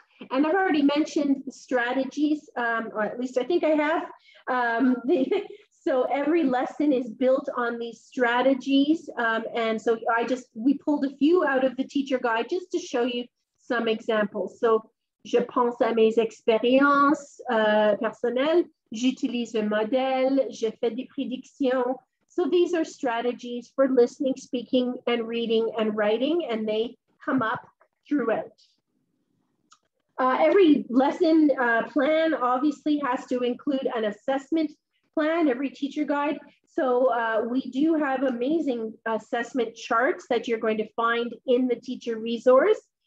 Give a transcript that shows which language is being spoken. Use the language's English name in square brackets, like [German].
[English] And I've already mentioned the strategies, or at least I think I have. So every lesson is built on these strategies. And so we pulled a few out of the teacher guide just to show you some examples. [French] So, je pense à mes expériences personnelles, j'utilise un modèle, je fais des prédictions. [English] So these are strategies for listening, speaking, and reading and writing, and they come up throughout. Every lesson plan obviously has to include an assessment plan, every teacher guide. So we do have amazing assessment charts that you're going to find in the teacher resource.